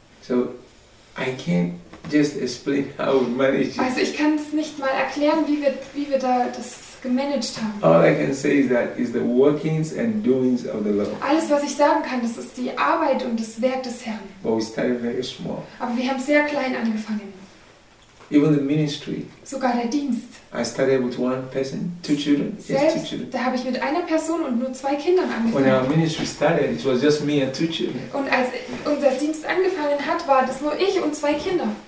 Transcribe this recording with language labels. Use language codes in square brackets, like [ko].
[en] So, I can't just explain how we manage it. [de] Also ich kann es nicht mal erklären, wie wir da das gemanagt haben. [en] All I can say is that is the workings and doings of the Lord. [de] Alles, was ich sagen kann, das ist die Arbeit und das Werk des Herrn. [en] But we started very small. [de] Aber wir haben sehr klein angefangen. [en] Even the ministry. [de] Sogar der Dienst. [en] I started with one person, two children. [de] Selbst, [en] yes, two children. [de] Da habe ich mit einer Person und nur zwei Kindern angefangen. [en] When our ministry started, it was just me and two children. [de] Und als unser Dienst angefangen hat, war das nur ich und zwei Kinder.